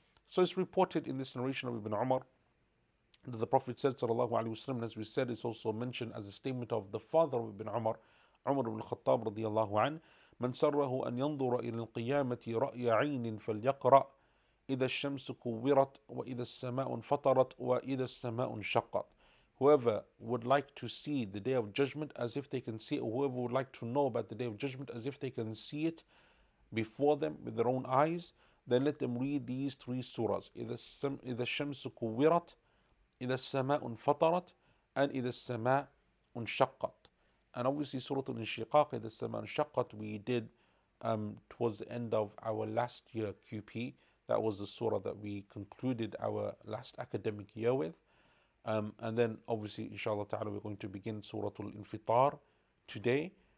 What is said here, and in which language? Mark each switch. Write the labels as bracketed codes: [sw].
[en] So it's reported in this narration of Ibn Umar that the Prophet said, sallallahu alayhi wasallam, as we said, it's also mentioned as a statement of the father of Ibn Umar, Umar ibn Khattab radiallahu an, [ar] من سره أن ينظر إلى القيامة رأي عين فليقرأ إذا الشمس كورت وإذا السماء انفطرت وإذا السماء انشقت. [en] Whoever would like to see the day of judgment as if they can see it, or whoever would like to know about the day of judgment as if they can see it before them with their own eyes, then let them read these three surahs. [ar] إذا الشمس كورت, إذا السماء انفطرت, and إذا السماء انشقت. [en] And obviously, Surah Al-Inshiqaq, the Saman Shaqqat, we did towards the end of our last year QP. That was the surah that we concluded our last academic year with. And then, obviously, inshallah ta'ala, we're going to begin Surah Al-Infitar today.